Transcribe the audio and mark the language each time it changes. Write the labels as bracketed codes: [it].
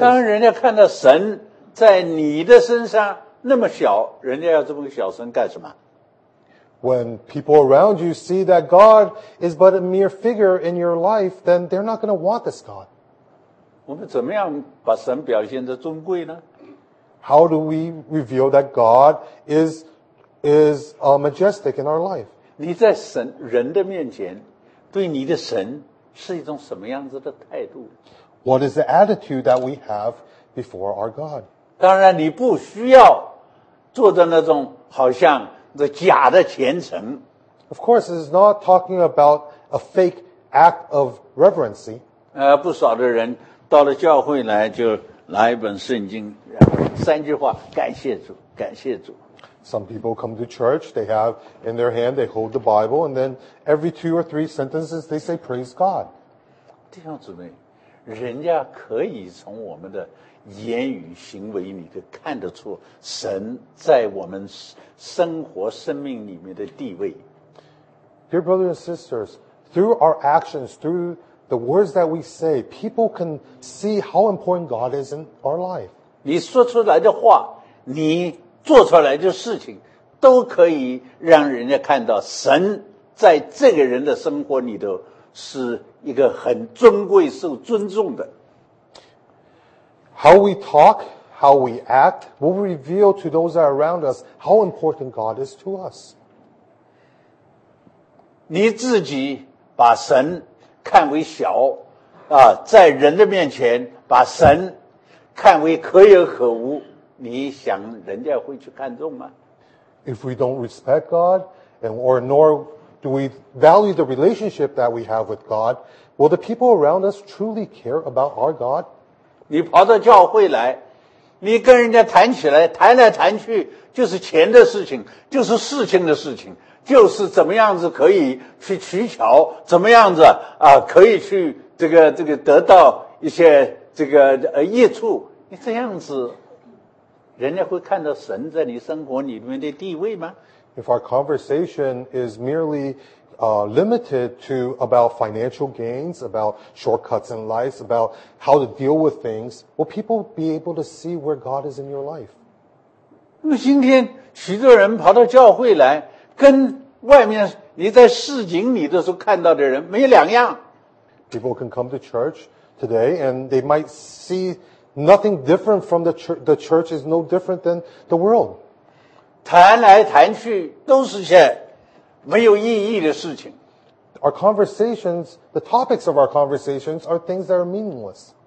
[zh] 当人家看到神在你的身上那么小，人家要这么小声干什么？ [en] When people around you see that God is but a mere figure in your life, then they're not going to want this God. [zh] 我们怎么样把神表现得尊贵呢？ [en] How do we reveal that God is majestic in our life? [zh] 你在神人的面前对你的神是一种什么样子的态度？ [en] What is the attitude that we have before our God? [zh] 当然你不需要做的那种好像这假的虔诚。 [en] Of course, it's not talking about a fake act of reverency. [zh] 不少的人到了教会来就拿一本圣经，然后三句话，感谢主，感谢主。 [en] Some people come to church, they have in their hand, they hold the Bible, and then every two or three sentences, they say, praise God. [zh] 弟兄姊妹，人家可以从我们的言语行为你可看得出神在我们生活生命里面的地位。 [en] Dear brothers and sisters, through our actions, through the words that we say, people can see how important God is in our life. [zh] 你说出来的话，你做出来的事情，都可以让人家看到神在这个人的生活里头是一个很尊贵受尊重的。 [en] How we talk, how we act, will reveal to those around us how important God is to us. [zh] 你自己把神看为小，啊，在人的面前把神看为可有可无，你想人家会去看重吗？ [en] If we don't respect God, and or nor do we value the relationship that we have with God, will the people around us truly care about our God? [zh] 你跑到教会来，你跟人家谈起来，谈来谈去就是钱的事情，就是事情的事情，就是怎么样子可以去取巧，怎么样子啊可以去这个得到一些益处。你这样子，人家会看到神在你生活里面的地位吗？ [en] If our conversation is merely limited to about financial gains, about shortcuts in life, about how to deal with things, will people be able to see where God is in your life? [zh] 那么今天许多人跑到教会来，跟外面你在市井里的时候看到的人没两样。 [en] People can come to church today and they might see nothing different from the church is no different than the world. [zh] 谈来谈去都是些没有意义的事情。 [en] Our conversations, the topics of our conversations are things that are meaningless.